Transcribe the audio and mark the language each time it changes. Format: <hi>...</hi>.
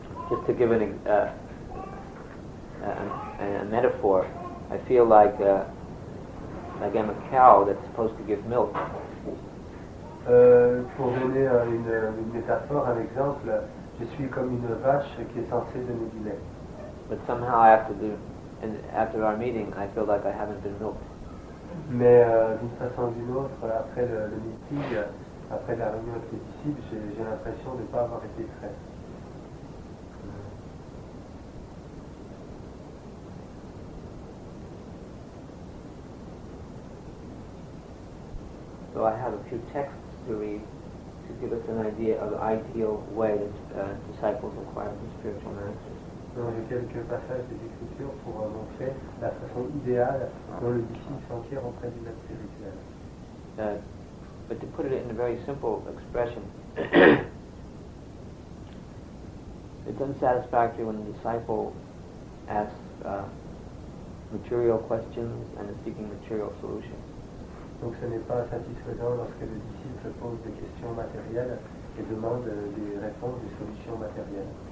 <en>Just to give a metaphor, I feel like I'm a cow that's supposed to give milk.</en> <fr>Pour donner une métaphore, un exemple, je suis comme une vache qui est censée donner du lait.</fr> <en>But somehow after our meeting, I feel like I haven't been milked.</en> <fr>Mais d'une façon ou d'une autre, après le meeting, après la réunion avec les disciples, j'ai l'impression de ne pas avoir été frais.</fr> <en>So I have a few texts to read to give us an idea of the ideal way that disciples acquire the spiritual masters.</en> <fr>Donc j'ai quelques passages des Écritures pour montrer la façon idéale dont le disciple s'enquiert auprès du maître spirituel.</fr> <en>But to put it in a very simple expression, it's unsatisfactory when the disciple asks material questions and is seeking material solutions.</en> <fr>Donc ce n'est pas satisfaisant lorsque le disciple pose des questions matérielles et demande des réponses, des solutions matérielles.</fr>